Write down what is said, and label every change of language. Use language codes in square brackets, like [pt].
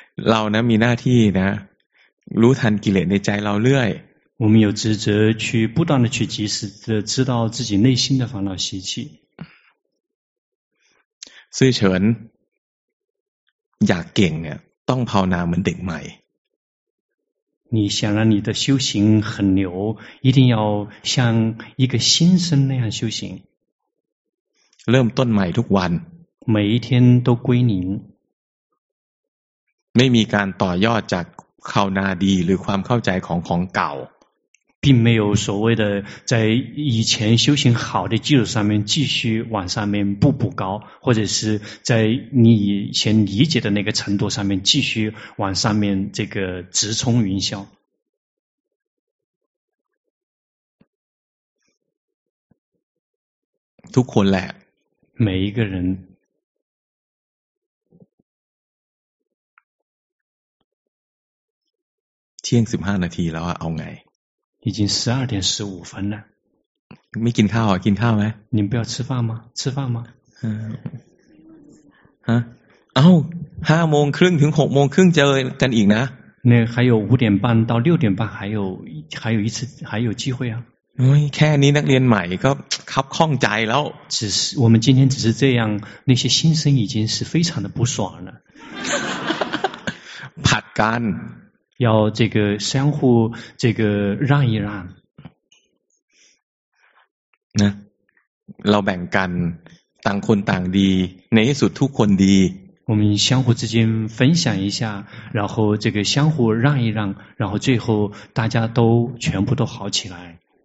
[th] เรานะมีหน้าที่นะรู้ทันกิเลสในใจเราเรื่อย [zh] 我们有职责去不断的去及时的知道自己内心的烦恼习气 [th] 所以เฉินอยากเก่งเนี่ยต้องภาวนาเหมือนเด็กใหม่ [zh] 你想让你的修行很牛一定要像一个新生那样修行 [th] เริ่มต้นใหม่ทุกวัน [zh] 每一天都归零 [th] ไม่มีการต่อยอดจากภาวนาดีหรือความเข้าใจของเก่า [zh] 并没有所谓的在以前修行好的基础上面继续往上面步步高，或者是在你以前理解的那个程度上面继续往上面这个直冲云霄。都困难，每一个人。天十五分钟了，要怎么？已经12:15了。没吃饭啊？吃饭没？你们不要吃饭吗？吃饭吗？嗯。啊？哦，5:30-6:30再见一次。那还有5:30-6:30，还有一次，还有机会啊。 [th] 哎，แค่นี้นักเรียนใหม่ก็คับข้องใจแล้ว。 [zh] 只是我们今天只是这样，那些新生已经是非常的不爽了。 [th] ผัดกัน。 [zh] 要这个相互这个让一让。 [th] นะ，เราแบ่งกัน，ต่างคนต่างดี，ในที่สุดทุกคนดี。 [zh] 我们相互之间分享一下，然后这个相互让一让，然后最后大家都全部都好起来。